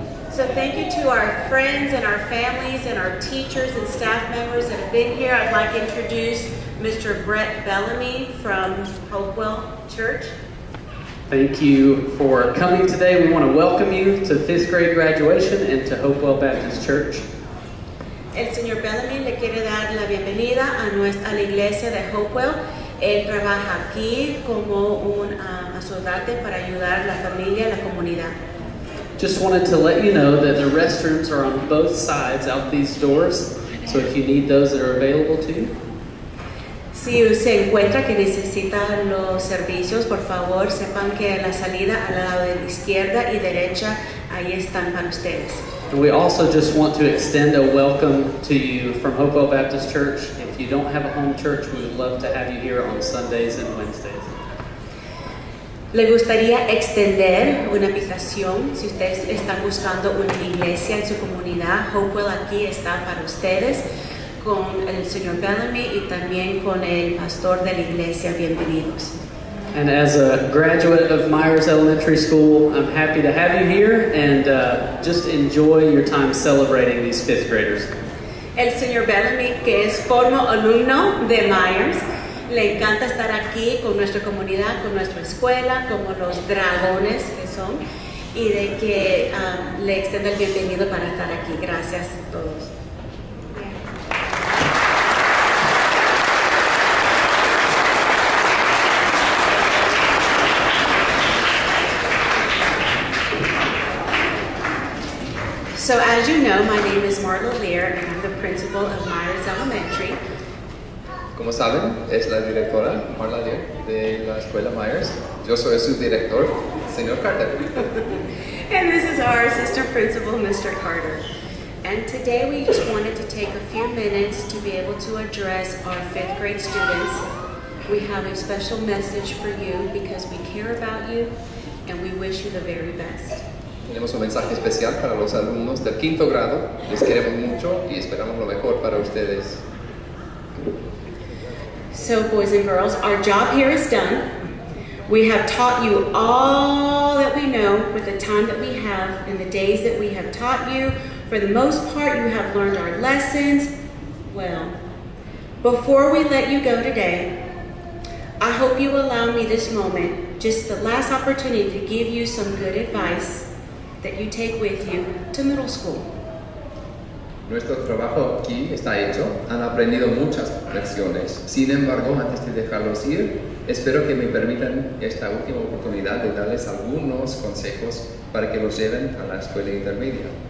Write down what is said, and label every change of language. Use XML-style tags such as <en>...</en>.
<en>So thank you to our friends and our families and our teachers and staff members that have been here. I'd like to introduce Mr. Brett Bellamy from Hopewell Church. Thank you for coming today. We want to welcome you to fifth grade graduation and to Hopewell Baptist Church.</en> <es>El señor Bellamy le quiere dar la bienvenida a nuestra a la iglesia de Hopewell. Él trabaja aquí como un soldado para ayudar a la familia, a la comunidad.</es> <en>Just wanted to let you know that the restrooms are on both sides out these doors, so if you need those, that are available to you.</en> <es>Si se encuentra que necesita los servicios, por favor, sepan que la salida al lado de la izquierda y derecha, ahí están para ustedes.</es> <en>And we also just want to extend a welcome to you from Hopewell Baptist Church. If you don't have a home church, we would love to have you here on Sundays and Wednesdays.</en> <es>Le gustaría extender una invitación si ustedes están buscando una iglesia en su comunidad. Hopewell aquí está para ustedes con el señor Bellamy y también con el pastor de la iglesia. Bienvenidos.</es> <en>And as a graduate of Myers Elementary School, I'm happy to have you here and just enjoy your time celebrating these fifth graders.</en> <es>El señor Bellamy, que es formo alumno de Myers, le encanta estar aquí con nuestra comunidad, con nuestra escuela, como los dragones que son, y de que le extiendo el bienvenido para estar aquí. Gracias a todos.</es> <en>So as you know, my name is Marla Lear, and I'm the principal of Myers Elementary.</en> <es>Como saben, es la directora Marla Lear de la escuela Myers. Yo soy su director, señor Carter.</es> <en>And this is our assistant principal, Mr. Carter. And today we just wanted to take a few minutes to be able to address our fifth grade students. We have a special message for you because we care about you and we wish you the very best.</en> <es>Tenemos un mensaje especial para los alumnos del quinto grado. Les queremos mucho y esperamos lo mejor para ustedes.</es> <en>So, boys and girls, our job here is done. We have taught you all that we know with the time that we have and the days that we have taught you. For the most part, you have learned our lessons. Well, before we let you go today, I hope you allow me this moment, just the last opportunity to give you some good advice that you take with you to middle school.</en> <es>Nuestro trabajo aquí está hecho. Han aprendido muchas lecciones. Sin embargo, antes de dejarlos ir, espero que me permitan esta última oportunidad de darles algunos consejos para que los lleven a la escuela intermedia.</es>